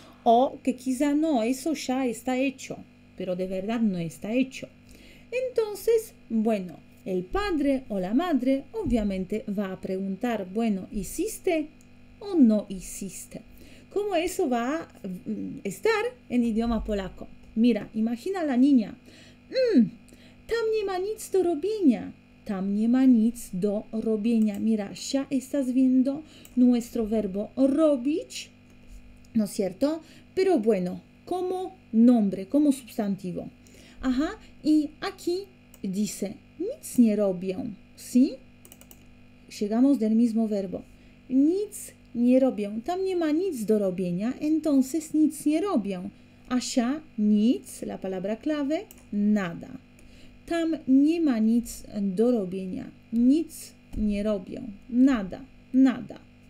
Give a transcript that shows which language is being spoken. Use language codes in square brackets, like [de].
[es] O que quizá no, eso ya está hecho, pero de verdad no está hecho. Entonces, bueno, el padre o la madre obviamente va a preguntar, bueno, ¿hiciste o no hiciste? ¿Cómo eso va a estar en idioma polaco? Mira, imagina a la niña. [pl] Tam nie ma nic do robienia. Tam nie ma nic do robienia. [es] Mira, ya estás viendo nuestro verbo robić, ¿no es cierto? Pero bueno, como nombre, como sustantivo. Ajá, y aquí dice, [pl] nic nie robię, [es] ¿sí? Llegamos del mismo verbo. [pl] Nic nie robię. Tam nie ma nic do robienia, [es] entonces [pl] nic nie robię. [es] Asia, nic, la palabra clave, nada. [pl] Tam nie ma nic do robienia. Nic nie robię. [es] Nada. Nada.